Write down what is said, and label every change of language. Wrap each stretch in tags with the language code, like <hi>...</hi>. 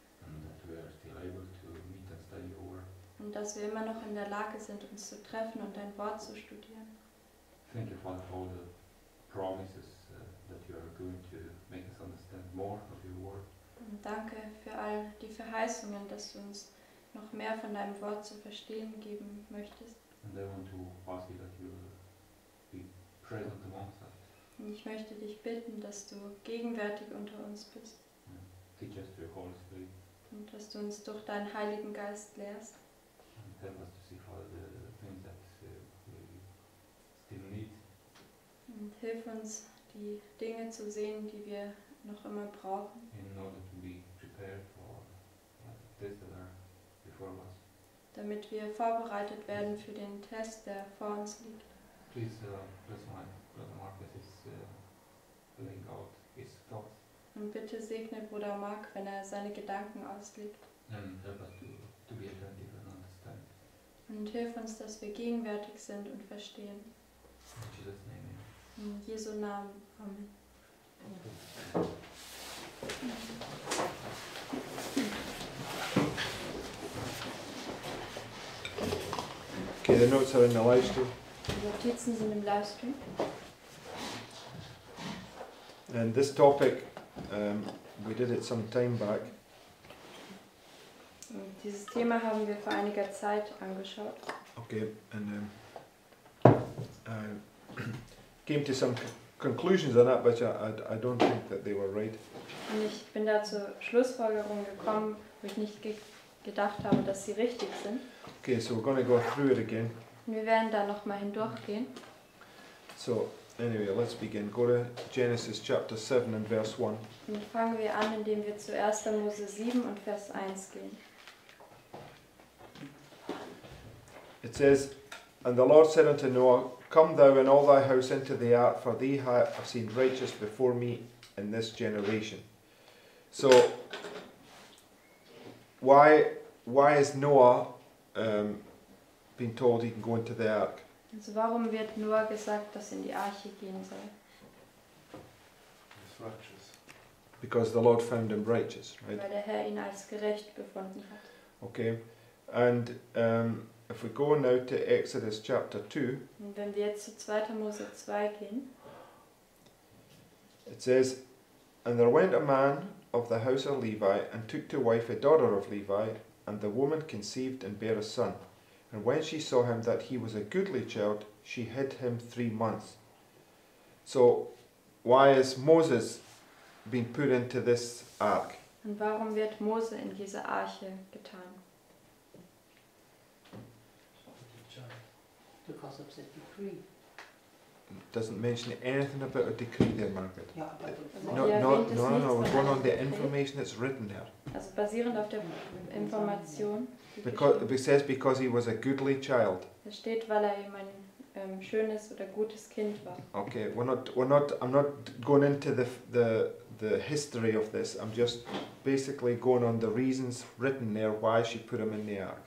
<en>And that we are still able to meet and study your word.</en> <de>Und dass wir immer noch in der Lage sind, uns zu treffen und dein Wort zu studieren.</de> <en>Thank you for all the promises that you are going to make us understand more of your word.</en> <de>Und danke für all die Verheißungen, dass du uns noch mehr von deinem Wort zu verstehen geben möchtest.</de> <en>And I want to ask you that you will be present amongst us.</en> <de>Und ich möchte dich bitten, dass du gegenwärtig unter uns bist.</de> <en>Teach us through Holy Spirit.</en> <de>Und dass du uns durch deinen Heiligen Geist lehrst.</de> <en>And help us to see all the things that we still need.</en> <de>Und hilf uns, die Dinge zu sehen, die wir noch immer brauchen.</de> <en>In order to be prepared for this that are before us.</en> <de>Damit wir vorbereitet werden für den Test, der vor uns liegt.</de> <en>Please, bless my brother Marcus is laying out his thoughts.</en> <de>Und bitte segne Bruder Mark, wenn er seine Gedanken auslegt.</de> <en>And help us to be attentive and understand.</en> <de>Und hilf uns, dass wir gegenwärtig sind und verstehen.</de> <en>In Jesus' name, amen.</en> <de>In Jesu Namen, Amen.</de> <en>Okay, the notes are in the live stream. And this topic, we did it some time back.</en> <de>Dieses Thema haben wir vor einiger Zeit angeschaut.</de> <en>Okay, and came to some conclusions on that, but I don't think that they were right.</en> <de>Und ich bin da zur Schlussfolgerung gekommen, wo ich nicht gedacht habe, dass sie richtig sind.</de> <en>Okay, so we're going to go through it again.</en> <de>Und wir werden da noch mal hindurchgehen.</de> <en>So, anyway, let's begin. Go to Genesis chapter 7 and verse 1.</en> <de>Und fangen wir an, indem wir zu 1. Mose 7 und Vers 1 gehen.</de> <en>It says, And the Lord said unto Noah, Come thou and all thy house into the ark, for thee I have seen righteous before me in this generation. So, why is Noah been told he can go into the ark?</en> <de>Also warum wird Noah gesagt, dass in die Arche gehen soll?</de> <en>He's righteous. Because the Lord found him righteous, right?</en> <de>Weil der Herr ihn als gerecht befunden hat.</de> <en>Okay, and if we go now to Exodus chapter 2.</en> <de>Und wenn wir jetzt zu 2. Mose 2 gehen.</de> <en>It says, And there went a man of the house of Levi, and took to wife a daughter of Levi, and the woman conceived and bare a son. And when she saw him that he was a goodly child, she hid him 3 months. So, why is Moses being put into this ark?</en> <de>Und warum wird Mose in diese Arche getan?</de> <en>Because of the decree. It doesn't mention anything about a decree there, Margaret. No, we're going on the information that's written there.</en> <de>Also basierend auf der Information.</de> <en>Because he was a goodly child.</en> <de>Es steht, weil er eben ein schönes oder gutes Kind war.</de> <en>Okay, I'm not going into the history of this. I'm just basically going on the reasons written there why she put him in the ark.</en>